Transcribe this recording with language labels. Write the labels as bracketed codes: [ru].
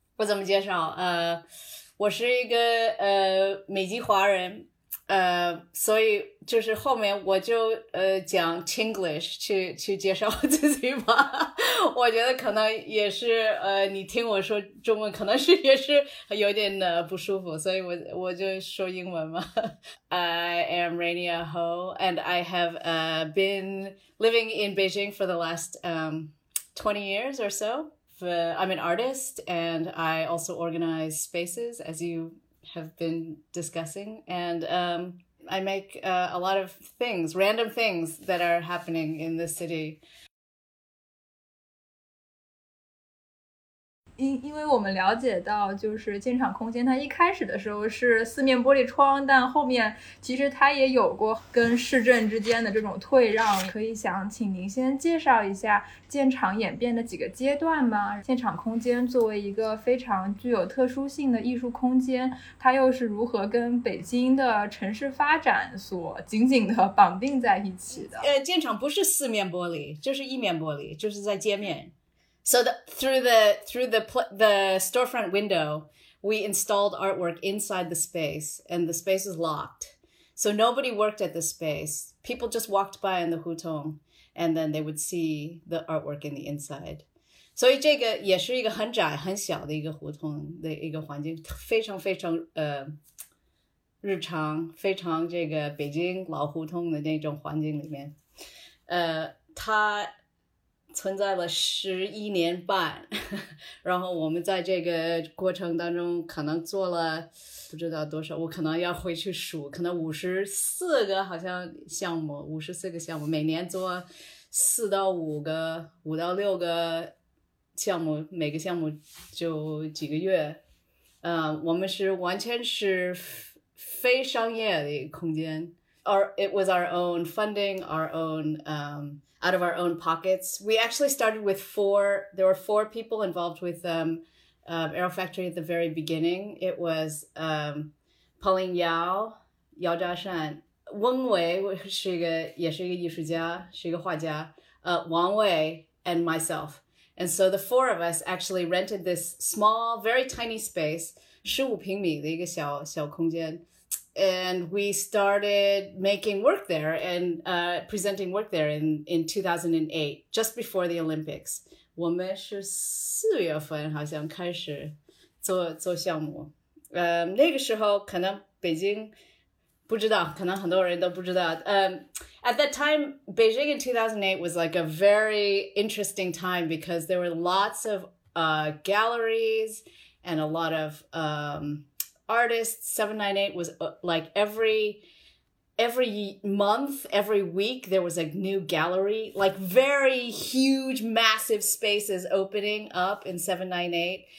[zh] 我怎么介绍我是一个美籍华人，所以就是后面我就讲 Chinglish 去介绍我自己吧。我觉得可能也是你听我说中文可能是也是有点不舒服，所以我就说英文嘛。 [en] I am Rania Ho and I have been living in Beijing for the last 20 years or so. I'm an artist and I also organize spaces as youhave been discussing, and I make a lot of things, random things that are happening in this city. [zh] 因为我们了解到就是建厂空间它一开始的时候是四面玻璃窗，但后面其实它也有过跟市政之间的这种退让，可以想请您先介绍一下建厂演变的几个阶段吗？建厂空间作为一个非常具有特殊性的艺术空间，它又是如何跟北京的城市发展所紧紧的绑定在一起的？建厂不是四面玻璃，就是一面玻璃，就是在街面。 [en] So through the storefront window, we installed artwork inside the space, and the space is locked. So nobody worked at the space. People just walked by in the hutong, and then they would see the artwork in the inside. [zh] 所以这个也是一个很窄很小的一个胡同的一个环境，非常非常日常，非常这个北京老胡同的那种环境里面，它存在了11年半，然后我们在这个过程当中可能做了不知道多少，我可能要回去数，可能54个好像项目，54个项目，每年做4到5个，5到6个项目，每个项目就几个月。我们是完全是非商业的空间。 [en] It was our own funding, our own, out of our own pockets. We actually started with there were 4 people involved with Aerofactory at the very beginning. It was [zh] Pauline Yao, Yao Jiashan, Wen Wei, 是一个也是一个艺术家，是一个画家，Wang Wei, [en] and myself. And so the 4 of us actually rented this small, very tiny space, [zh] 15平米的一个小小空间。 [en] And we started making work there and presenting work there in 2008, just before the Olympics. [zh] 我们是4月份好像开始做项目。那个时候可能北京不知道，可能很多人都不知道。 [en] At that time, Beijing in 2008 was like a very interesting time because there were lots of galleries and a lot of artists. 798 was like every month, every week, there was a new gallery, like very huge, massive spaces opening up in 798.